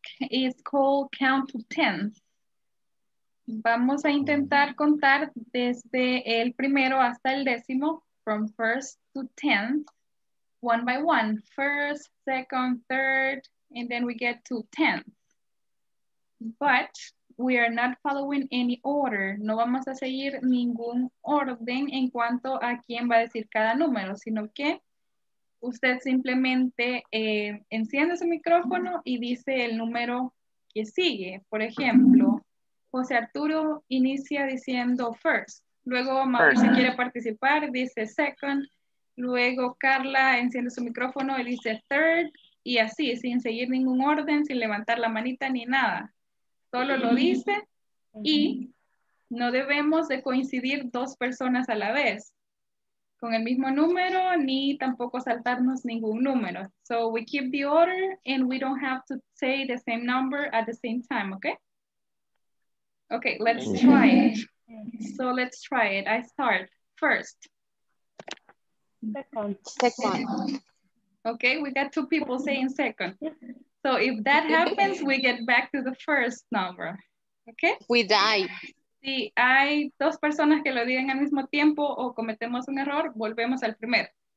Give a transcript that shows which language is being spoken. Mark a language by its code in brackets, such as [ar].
[en] It's called Count to 10. [es] Vamos a intentar contar desde el primero hasta el décimo, [en] from first to 10th, one by one. First, second, third, and then we get to 10th. But we are not following any order. [es] No vamos a seguir ningún orden en cuanto a quién va a decir cada número, sino que usted simplemente enciende su micrófono y dice el número que sigue. Por ejemplo, José Arturo inicia diciendo first. Luego Mauricio first. Quiere participar, dice second. Luego Carla enciende su micrófono y dice third. Y así, sin seguir ningún orden, sin levantar la manita ni nada. Solo lo dice y no debemos de coincidir dos personas a la vez con el mismo número ni tampoco saltarnos ningún número. [en] So we keep the order and we don't have to say the same number at the same time, okay? Okay, let's try it. So let's try it. I start first. Second. Okay, we got two people saying second. So if that happens, we get back to the first number. Okay? We die. [es] Si hay dos personas que lo digan al mismo tiempo o cometemos un error, volvemos al primero.